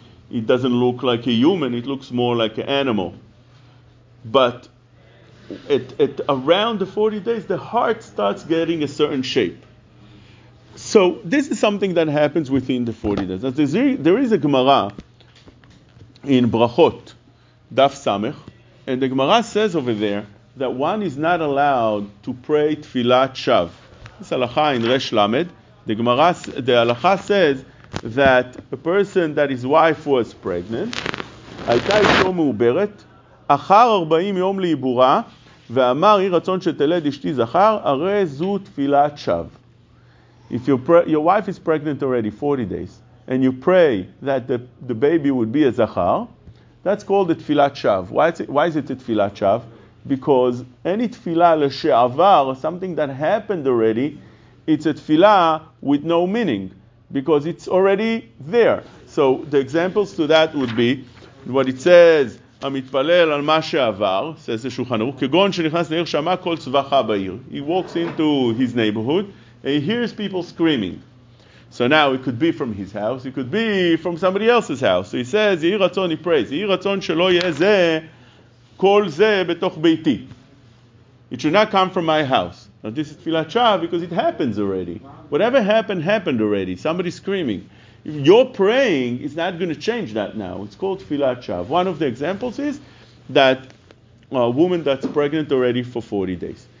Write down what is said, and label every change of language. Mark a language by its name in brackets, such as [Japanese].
[English] It doesn't look like a human; it looks more like an animal. But at around the 40 days, the heart starts getting a certain shape. So this is something that happens within the 40 days. Now, there is a Gemara in Brachot, Daf Samech. And the Gemara says over there that one is not allowed to pray Tfilat Shav. It's halacha in Resh Lamed. The halacha says that a person that his wife was pregnant, [Hebrew] הייתה אישו מעוברת, אחר 40 יום לעיבורה, ואמר, יהי רצון שתלד אשתי זכר, הרי זו תפילת שב. [English] If your wife is pregnant already 40 days, and you pray that the baby would be a zakhar, that's called a tefillah shav. Why is it a tefillah shav? Because any tefillah l'she'avar, something that happened already, it's a tefillah with no meaning, because it's already there. So the examples to that would be what it says, [Hebrew] המתפלל על מה שעבר, [English] says the Shulchan Aruch, [Hebrew] כגון שנכנס לעיר שמע כל צבחה בעיר. [English] He walks into his neighborhood, and he hears people screaming. So now it could be from his house, it could be from somebody else's house. So he says, [Hebrew] יהי רצון, [English] he prays, [Hebrew] יהי רצון שלא יהיה זה, כל זה בתוך ביתי. [English] It should not come from my house. Now this is tefillat shav because it happens already. Whatever happened already. Somebody screaming. If you're praying, it's not going to change that now. It's called tefillat shav. One of the examples is that a woman that's pregnant already for 40 days.